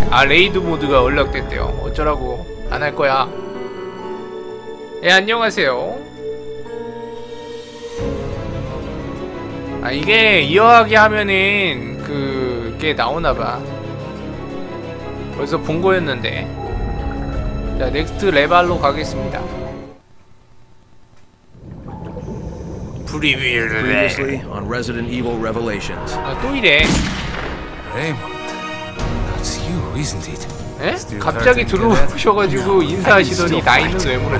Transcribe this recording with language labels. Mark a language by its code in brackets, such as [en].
[ko] 아, 레이드 모드가 언락됐대요. 어쩌라고. 안 할 거야. 예, 안녕하세요. 아, 이게 이어하기 하면은 그게 나오나봐. 벌써 본 거였는데. 자, 넥스트 레발로 가겠습니다. [en] Previously on Resident Evil Revelations. [ko] 아, 또 이래. [en] Raymond, that's you, isn't it? [ko] 에? 갑자기 들어오셔가지고 인사하시더니 나 있는 외모를